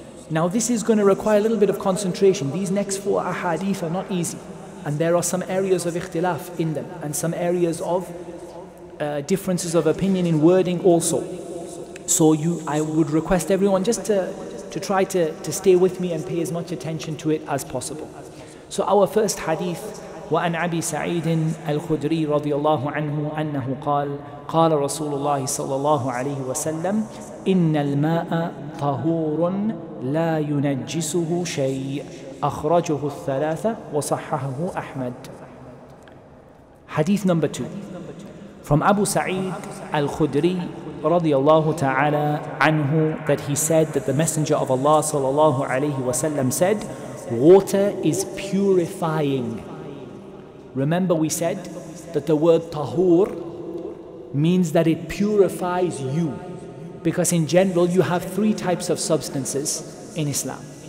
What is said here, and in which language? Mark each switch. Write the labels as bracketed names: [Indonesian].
[English] Now, this is going to require a little bit of concentration. These next four ahadith are not easy. And there are some areas of ikhtilaf in them, and some areas of differences of opinion in wording also. So I would request everyone just to try to stay with me and pay as much attention to it as possible. So our first hadith, [Arabic] وَأَنْ عَبِي سَعِيدٍ الْخُدْرِي رَضِيَ اللَّهُ عَنْهُ أَنَّهُ قَالَ رَسُولُ اللَّهِ صَلَّى اللَّهُ عَلَيْهِ وَسَلَّمْ إِنَّ الْمَاءَ طَهُورٌ لَا يُنَجِّسُهُ شَيْءٌ أخرجه الثلاثة وصححه أحمد. [English] Hadith number 2 from Abu Sa'id al-Khudri [Arabic] رضي الله تعالى عنه, [English] that he said that the Messenger of Allah [Arabic] صلى الله عليه وسلم [English] said, water is purifying. Remember, we said that the word tahur means that it purifies you, because in general you have three types of substances in Islam.